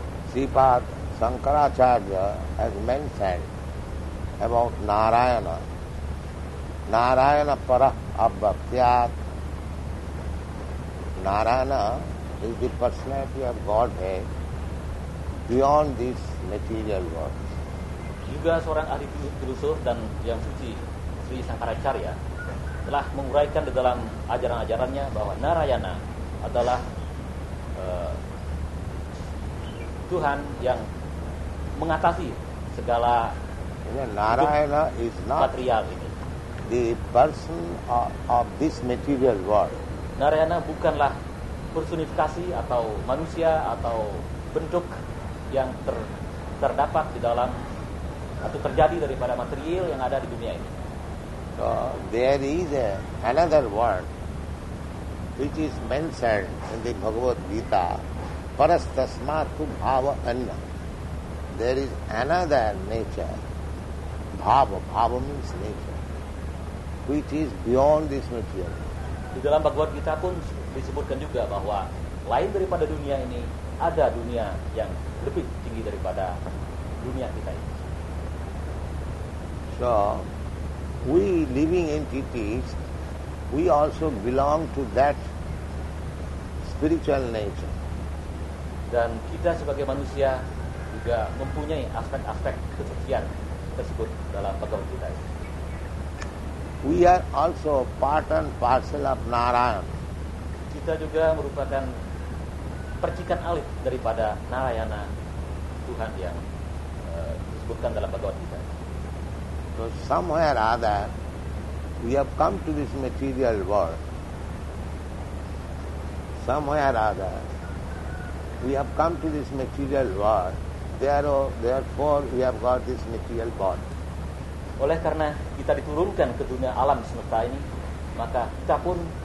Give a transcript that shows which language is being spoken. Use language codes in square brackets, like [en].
[en] Sripad Shankaracharya has mentioned about Narayana. [sa] Narayana parah abhyat. [en] Narayana is the personality of Godhead beyond this material world. [id] Juga seorang ahli filosof dan yang suci, Sri Shankaracharya, telah menguraikan di dalam ajaran-ajarannya bahwa Narayana adalah Tuhan yang mengatasi segala [en] Narayana is not [id] material ini. [en] The person of this material world. [id] Narayana bukanlah personifikasi atau manusia atau bentuk yang terdapat di dalam atau terjadi daripada material yang ada di dunia ini. [en] So, there is another word which is mentioned in the Bhagavad Gita, [sa] parastasmatu bhava anna. [en] There is another nature, bhava. Bhava means nature, which is beyond this material. [id] Di dalam Bhagavad Gita pun disebutkan juga bahwa lain daripada dunia ini ada dunia yang lebih tinggi daripada dunia kita ini. [en] So, we living entities, we also belong to that spiritual nature. [id] Dan kita sebagai manusia juga mempunyai aspek-aspek kesucian tersebut dalam bagian kita ini. [en] We are also part and parcel of Narayana. [id] Kita juga merupakan percikan alih daripada Narayana, Tuhan yang disebutkan dalam Bhagavad Gita. [en] So somewhere other we have come to this material world. Somewhere other we have come to this material world. Therefore we have got this material body. [id] Oleh karena kita diturunkan ke dunia alam semesta ini, maka kita pun